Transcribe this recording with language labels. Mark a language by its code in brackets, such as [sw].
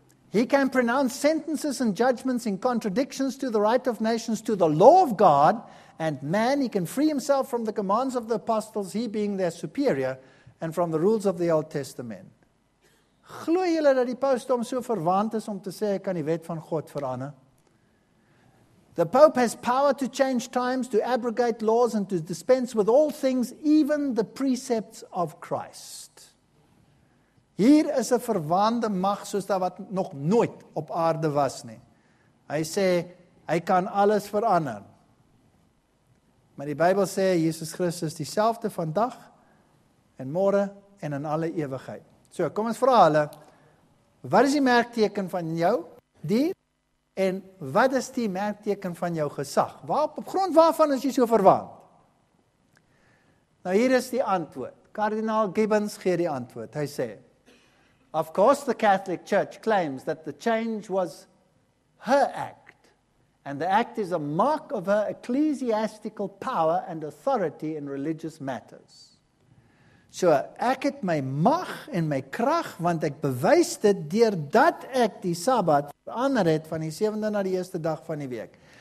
[en] He can pronounce sentences and judgments in contradictions to the right of nations, to the law of God, and man, he can free himself from the commands of the apostles, he being their superior, and from the rules of the Old Testament. [af] Glooi julle dat die paus hom so verwant is om te sê, ek kan die wet van God verander? [en] The Pope has power to change times, to abrogate laws, and to dispense with all things, even the precepts of Christ. [af] Hier is 'n verwaande mag soos daar wat nog nooit op aarde was nie. Hy sê, hy kan alles verander. Maar die Bybel sê, Jesus Christus dieselfde vandag, en môre, en in alle ewigheid. So, kom ons vra hulle, wat is die merkteken van jou dier? En wat is die merkteken van jou gesag? Waarop, op grond waarvan is jy so verwaand? Nou hier is die antwoord. Kardinaal Gibbons gee die antwoord. Hy sê, [en] of course the Catholic Church claims that the change was her act, and the act is a mark of her ecclesiastical power and authority in religious matters. [af] So ek het my mag en my krag, want ek bewys dit deurdat ek die Sabbat verander het van die 7de na die 1ste dag van die week.